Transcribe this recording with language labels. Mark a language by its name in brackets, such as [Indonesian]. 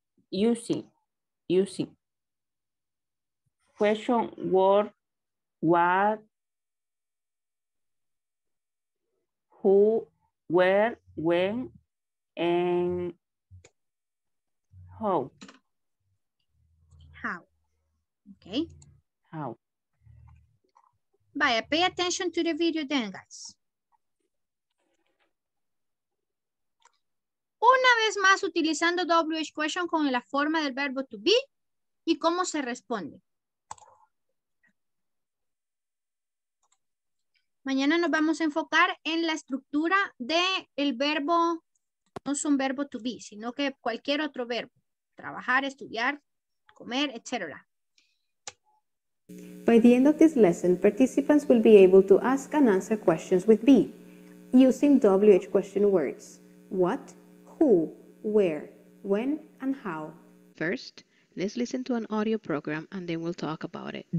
[English] using question word what who, where, when, and how. How. Okay. How. Vaya, pay attention to the video then, guys. [Spanish] una vez más utilizando WH question con la forma del verbo to be y cómo se responde. Mañana nos vamos a enfocar en la estructura del verbo, no es un verbo to be, sino que cualquier otro verbo. Trabajar, estudiar, comer, etc. [English] By the end of this lesson, participants will be able to ask and answer questions with be, using WH question words. What, who, where, when, and how. First, let's listen to an audio program and then we'll talk about it.